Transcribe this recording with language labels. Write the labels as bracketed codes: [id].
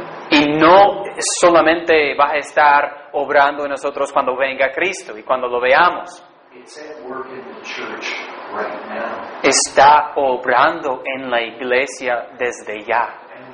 [es] Y no solamente va a estar obrando en nosotros cuando venga Cristo y cuando lo veamos. [en] It's at work in the church right now. [es] Está obrando en la iglesia desde ya.